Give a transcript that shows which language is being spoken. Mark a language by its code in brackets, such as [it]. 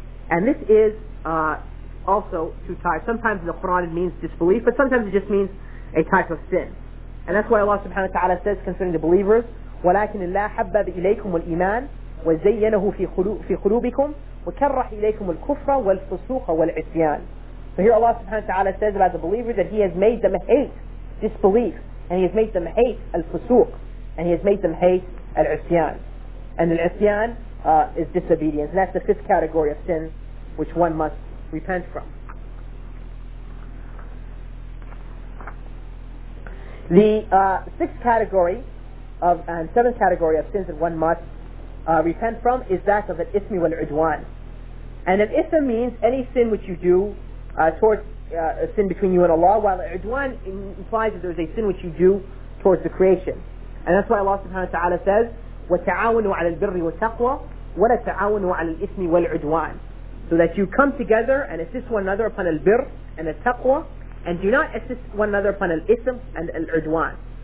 [en] And this is also two types. Sometimes in the Quran it means disbelief, but sometimes it just means a type of sin. And that's why Allah subhanahu wa ta'ala says concerning the believers, [ar] وَلَكِنِ اللَّهَ حَبَّبَ إِلَيْكُمُ الْإِيمَانِ وزينه في قلوبكم وكره إليكم الكفر والفسوق والعصيان. [en] So here Allah subhanahu wa ta'ala says about the believers that He has made them hate disbelief, and He has made them hate al-fusuq, and He has made them hate al-isyan. And al-isyan is disobedience. And that's the fifth category of sin which one must repent from. The sixth category of and seventh category of sins that one must repent from is that of al-ithmi wal-udwan. And al-ithm means any sin which you do towards a sin between you and Allah, while al-udwan implies that there is a sin which you do towards the creation. And that's why Allah subhanahu wa ta'ala says, [ar] وَتَعَاوَنُوا عَلَى الْبِرِّ وَتَقْوَى وَلَا تَعَاوَنُوا عَلَى الْإِثْمِ وَالْعُدْوَانِ. [en] So that you come together and assist one another upon al-birr and al-taqwa, and do not assist one another upon al-ithm and al-udwan.